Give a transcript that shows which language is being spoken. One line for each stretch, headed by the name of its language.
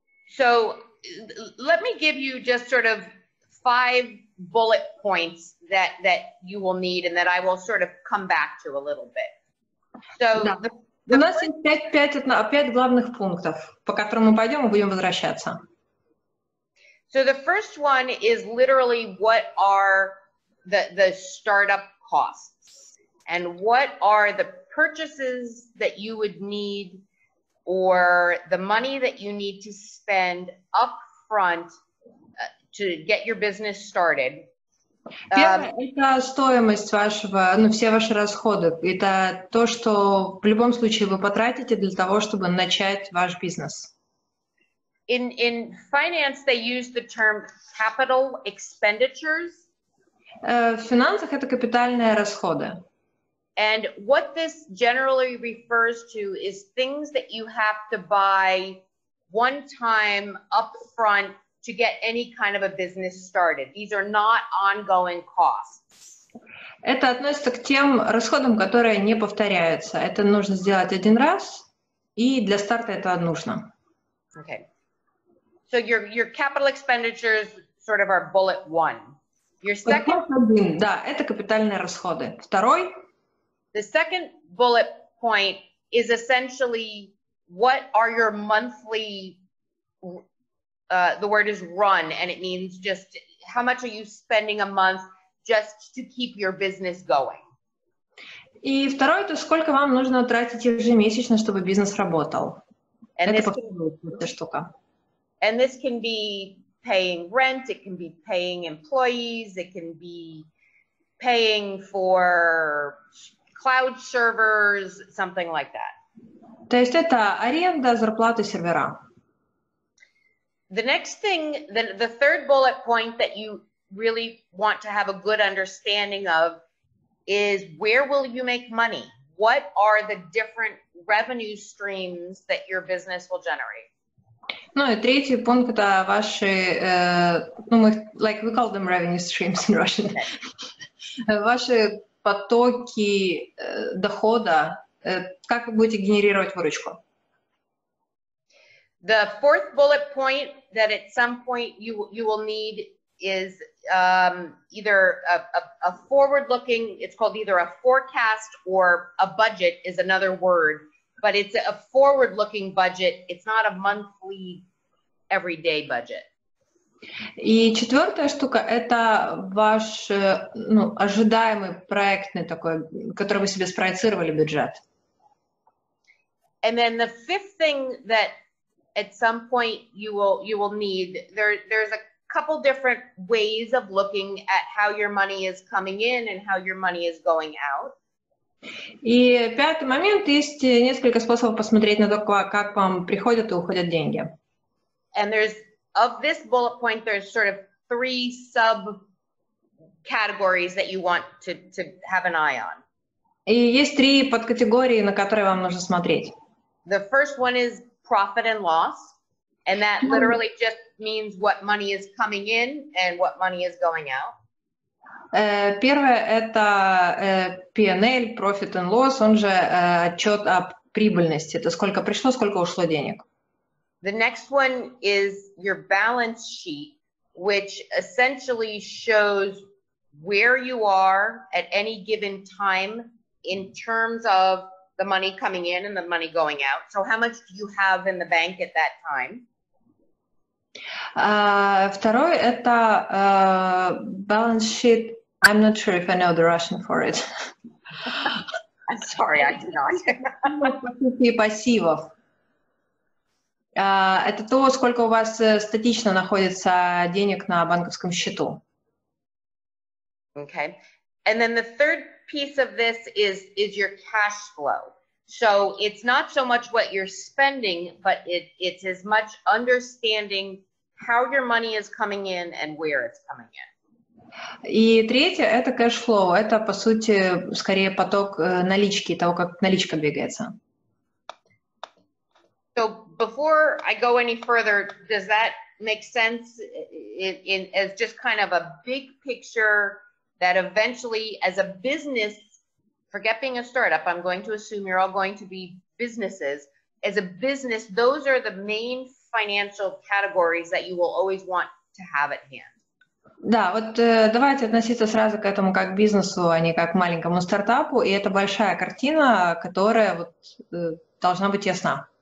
English: So let me give you just sort of five bullet points that you will need and that I will sort of come back to a little bit. So
Russian: у нас есть пять главных пунктов, по которым мы пойдем и будем возвращаться.
English: So the first one is literally what are the startup costs and what are the purchases that you would need or the money that you need to spend up front to get your business started.
Russian: Первое, это стоимость вашего, ну, все ваши расходы. Это то, что в любом случае вы потратите для того, чтобы начать ваш бизнес.
English: In finance, they use the term capital expenditures.
Russian: В финансах это капитальные расходы.
English: And what this generally refers to is things that you have to buy one time up front to get any kind of a business started. These are not ongoing costs.
Russian: Это относится к тем расходам, которые не повторяются. Это нужно сделать один раз, и для старта это нужно.
English: Okay. So your capital expenditures sort of are bullet one. Your second...
Russian: Да, это капитальные расходы. Второй...
English: The second bullet point is essentially what are your monthly... the word is run, and it means just how much are you spending a month just to keep your business going.
Russian: И второе, то сколько вам нужно тратить ежемесячно, чтобы бизнес работал.
English: And this can be paying rent, it can be paying employees, it can be paying for cloud servers, something like that.
Russian: То есть это аренда, зарплата, сервера.
English: The next thing, the third bullet point that you really want to have a good understanding of is where will you make money? What are the different revenue streams that your business will generate?
Russian: Ну и третий пункт, это ваши, ну мы,
English: like we call them revenue streams in Russian.
Russian: Ваши потоки дохода, как вы будете генерировать выручку?
English: The fourth bullet point that at some point you will need is either a forward-looking, it's called either a forecast or a budget is another word, but it's a forward-looking budget. It's not a monthly, everyday budget.
Russian: И четвертая штука – это ваш ну, ожидаемый проектный такой, который вы себе спроецировали бюджет.
English: And then the fifth thing that at some point you will need, there's a couple different ways of looking at how your money is coming in and how your money is going out.
Russian: И пятый момент, есть несколько способов посмотреть на то, как вам приходят и уходят деньги.
English: And there's, of this bullet point, there's sort of three sub-categories that you want to have an eye on.
Russian: И есть три подкатегории, на которые вам нужно смотреть.
English: The first one is profit and loss, and that literally just means what money is coming in and what money is going out.
Russian: Первое – это P&L,
English: profit and loss,
Russian: он же отчет о прибыльности, это сколько пришло, сколько ушло денег.
English: The next one is your balance sheet, which essentially shows where you are at any given time in terms of the money coming in and the money going out. So how much do you have in the bank at that time?
Russian: Второе – это balance sheet.
English: I'm not sure if I know the Russian for it. I'm sorry, I do not.
Russian: Пассивов. Это то, сколько у вас статично находится денег на банковском счету.
English: Okay. And then the third piece of this is your cash flow. So it's not so much what you're spending, but it's as much understanding how your money is coming in and where it's coming in.
Russian: И третье – это cash flow. Это, по сути, скорее поток налички, того, как наличка двигается.
English: So before I go any further, does that make sense in as just kind of a big picture that eventually as a business, forget being a startup, I'm going to assume you're all going to be businesses, as a business, those are the main financial categories that you will always want to have at hand.
Russian: Да, вот давайте относиться сразу к этому как к бизнесу, а не как к маленькому стартапу, и это большая картина, которая вот должна быть ясна.